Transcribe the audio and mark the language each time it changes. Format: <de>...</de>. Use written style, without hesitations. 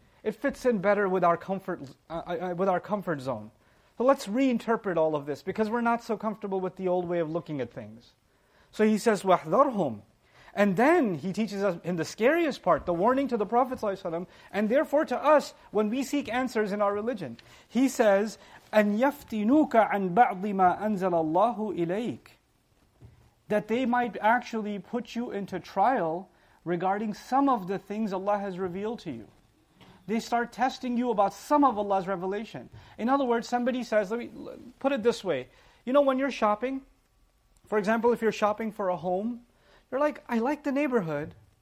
<en>It fits in better with our comfort zone. So let's reinterpret all of this because we're not so comfortable with the old way of looking at things. So He says,</en> <ar>وَحْذَرْهُمْ.</ar> <en>And then He teaches us in the scariest part, the warning to the Prophet ﷺ, and therefore to us when we seek answers in our religion. He says,</en> <ar>"أَنْ يَفْتِنُوكَ عَنْ بَعْضِ مَا أَنزَلَ اللَّهُ إِلَيْكَ."</ar> <en>That they might actually put you into trial regarding some of the things Allah has revealed to you. They start testing you about some of Allah's revelation. In other words, somebody says, let me put it this way. You know, when you're shopping, for example, if you're shopping for a home, you're like, I like the neighborhood.</en>